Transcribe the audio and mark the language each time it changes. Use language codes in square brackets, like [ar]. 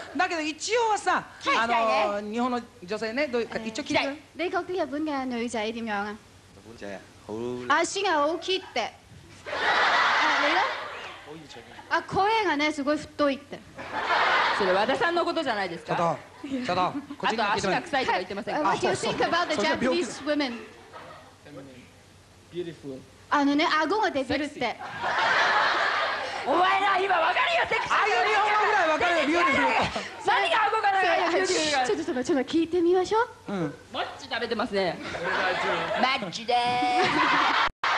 [ja] だけど一応はさ、日本の女性ね、どういうか一応嫌い。 [yue] 你覺得日本嘅女仔點樣啊？ [ja] 足が大きいって。あ、いる？あ、声がね、すごい太いって。それ和田さんのことじゃないですか？ちょっとこっちに聞いてもらう。あと足が臭いとか言ってませんか？ [en] What do you think about the Japanese women? Beautiful。 [ja] あのね、顎が出てるって。お前ら今分かるよ、セクシー。ああいう日本語ぐらい分かるよ、ビューティフル。何が顎がないよ。ちょっと聞いてみましょう。うん、マッチ食べてますね。マッチでーす。